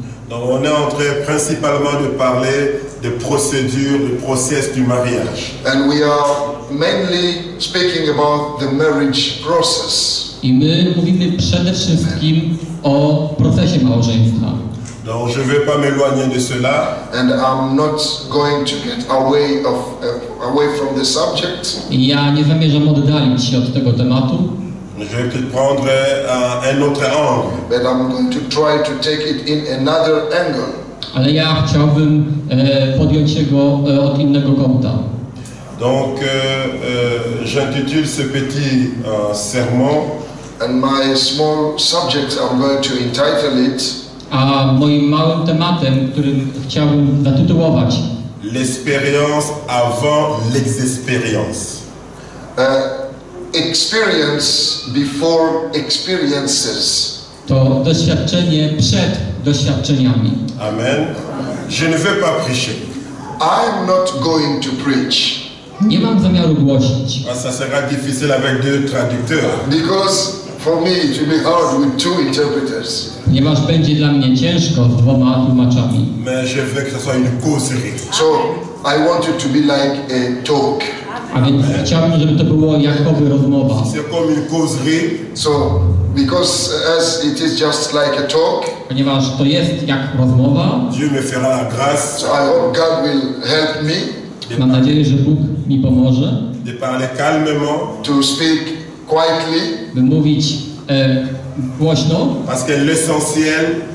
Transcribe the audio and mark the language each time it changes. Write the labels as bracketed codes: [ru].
[fr] Donc on est en train principalement de parler des procédures, du process du mariage. [en] And we are mainly speaking about the marriage process. [pl] I my mówimy przede wszystkim o procesie małżeństwa. [fr] Donc je ne vais pas m'éloigner de cela. [en] And I'm not going to get away from the subject. [pl] Ja nie zamierzam oddalić się od tego tematu. [fr] Je vais prendre un autre angle. [en] But I'm going to try to take it in another angle. [pl] Ale ja chciałbym podjąć go od innego kąta. [fr] Donc j'intitule ce petit sermon. [en] And my small subject I'm going to entitle it. [pl] A moim małym tematem, którym chciałbym zatytułować. [fr] L'expérience avant l'expérience. [en] Experience before experiences. [pl] To doświadczenie przed doświadczeniami. [fr] Amen. Je ne vais pas prêcher. [en] I'm not going to preach. [pl] Nie mam zamiaru głosić. [fr] Ça sera difficile avec deux traducteurs. [en] Because for me it will be hard with two interpreters. [pl] Ponieważ będzie dla mnie ciężko z dwoma tłumaczami. [fr] Mais je veux que ce soit une causerie. [en] So I want it to be like a talk. [pl] A więc chciałbym, żeby to było jakoby rozmowa. [en] So, because as it is just like a talk. [pl] Ponieważ to jest jak rozmowa. [fr] Dieu me fera la grâce. [en] So I hope God will help me. [pl] Mam nadzieję, że Bóg mi pomoże. [fr] De parler calmement. [en] To speak quietly. [pl] By mówić głośno. [fr] Parce que l'essentiel.